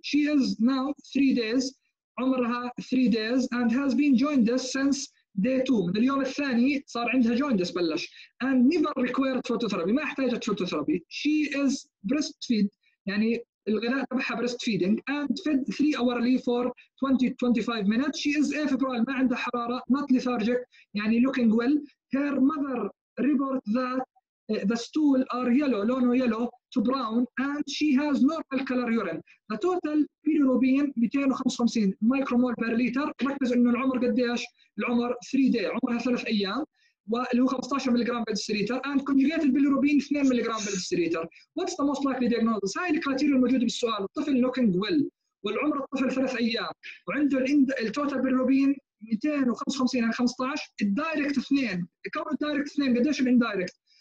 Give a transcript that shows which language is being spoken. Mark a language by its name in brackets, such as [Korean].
[English] She is now 3 days, [Arabic] عمرها [English] 3 days, and has been jaundiced since day two. [Arabic] من اليوم الثاني صار عندها jaundice بلش. [English] And never required phototherapy. [Arabic] ما احتاجت [English] phototherapy. She is breastfed, [Arabic] يعني الغذاء تبعها [English] breastfeeding, and fed 3 hourly for 20-25 minutes. She is afebrile, [Arabic] ما عندها حرارة, [English] not lethargic, [Arabic] يعني [English] looking well. Her mother reports that the stool are yellow, lono yellow to brown, and she has normal color urine. The total bilirubin 255 micromole per liter. [Arabic] ركز إنه العمر قديش؟ العمر 3 day, عمرها 3 أيام. واللي هو 15 ملغرام بالسليتر [English] and conjugated bilirubin 2 [Arabic] ملغرام بالسليتر [English] What's the most likely diagnosis? [Arabic] هاي الكراتيريا الموجودة بالسؤال الطفل [English] looking well [Arabic] والعمر الطفل 3 أيام وعنده التوتال بيلروبين 255 يعني 15 الدايركت 2 كم الدايركت 2 قديش الاندايركت